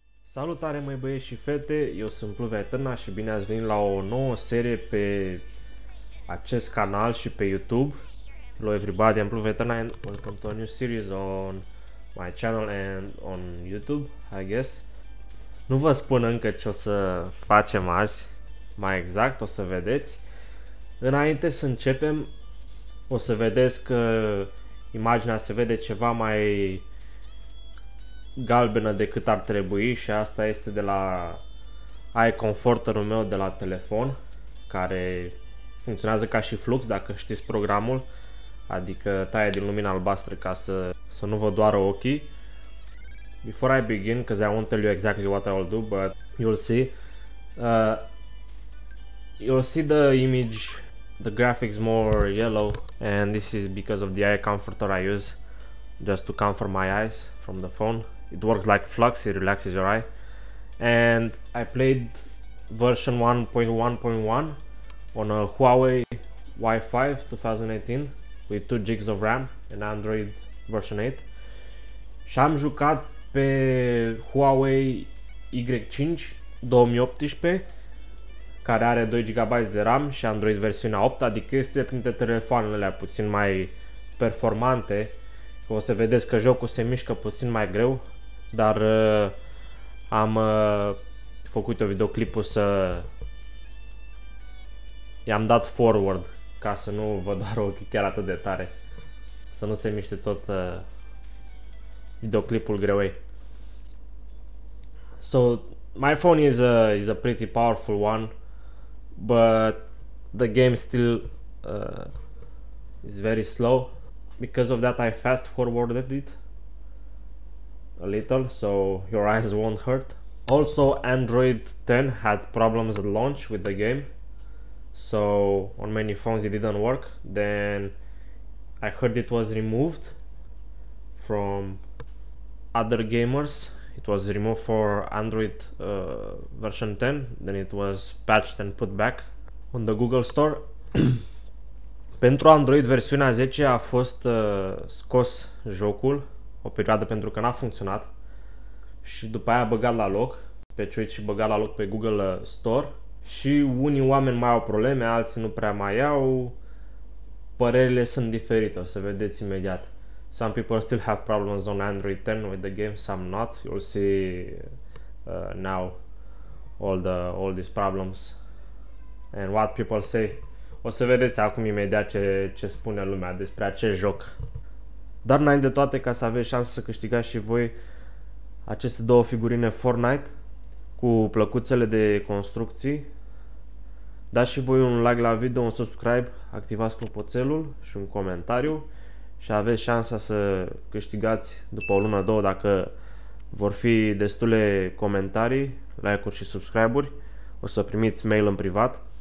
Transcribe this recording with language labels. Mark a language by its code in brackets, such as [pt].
[ro] Salutare, măi băieți și fete, eu sunt Pluvia Eterna și bine ați venit la o nouă serie pe acest canal și pe YouTube. [en] Hello everybody, I'm Pluvia Eterna and welcome to a new series on my channel and on YouTube, I guess. [ro] Nu vă spun încă ce o să facem azi, mai exact, o să vedeți. Înainte să începem, o să vedeți că imaginea se vede ceva mai galbenă decât ar trebui și asta este de la iComforter-ul meu de la telefon, care funcționează ca și flux, dacă știți programul, adică taie din lumina albastră ca să nu vă doară ochii. [en] Before I begin, because I won't tell you exactly what I will do, but you'll see the image, the graphics more yellow, and this is because of the iComforter I use just to comfort my eyes from the phone. It works like flux, it relaxes your eye. And I played version 1.1.1 on a Huawei Y5 2018 with 2 gigs of RAM and Android version 8. [ro] Și am jucat pe Huawei Y5 2018, care are 2 GB de RAM și Android versiunea 8, adică este printre telefoanele alea puțin mai performante. O să vedeți că jocul se mișcă puțin mai greu. Dar am făcut o videoclipul să i-am dat forward ca să nu vă doar ochii chiar atât de tare, să nu se miște tot videoclipul greuei. [en] So my phone is a pretty powerful one, but the game still is very slow. Because of that I fast forwarded it a little, so your eyes won't hurt. Also, Android 10 had problems at launch with the game, so on many phones it didn't work. Then I heard it was removed from other gamers. It was removed for Android version 10, then it was patched and put back on the Google Store. [ro] Pentru Android versiunea 10 a fost scos jocul o perioadă pentru că n-a funcționat și după aia băgat la loc pe Twitch și băgat la loc pe Google Store și unii oameni mai au probleme, alții nu prea mai au. Părerile sunt diferite, o să vedeți imediat. [en] Some people still have problems on Android 10 with the game, some not. You'll see now all these problems and what people say. [ro] O să vedeți acum imediat ce spune lumea despre acest joc. Dar înainte de toate, ca să aveți șansă să câștigați și voi aceste două figurine Fortnite cu plăcuțele de construcții, dați și voi un like la video, un subscribe, activați clopoțelul și un comentariu și aveți șansa să câștigați după o lună, două, dacă vor fi destule comentarii, like-uri și subscribe-uri, o să primiți mail în privat.